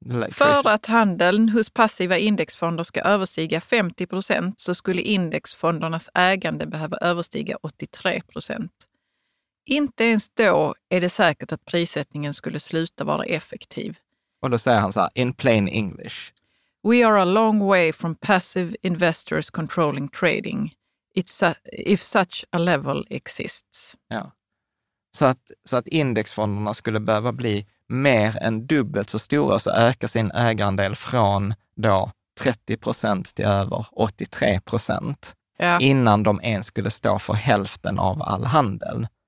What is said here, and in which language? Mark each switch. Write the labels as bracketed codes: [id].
[sv] För att handeln hos passiva indexfonder ska överstiga 50%, så skulle indexfondernas ägande behöva överstiga 83%. Inte ens då är det säkert att prissättningen skulle sluta vara effektiv. Och då säger han så här, [en] in plain English. We are a long way from passive investors controlling trading, if such a level exists. [sv] Ja, så att indexfonderna skulle behöva bli mer än dubbelt så stora, så ökar sin ägarandel från då 30% till över 83% innan de ens skulle stå för hälften av all handel.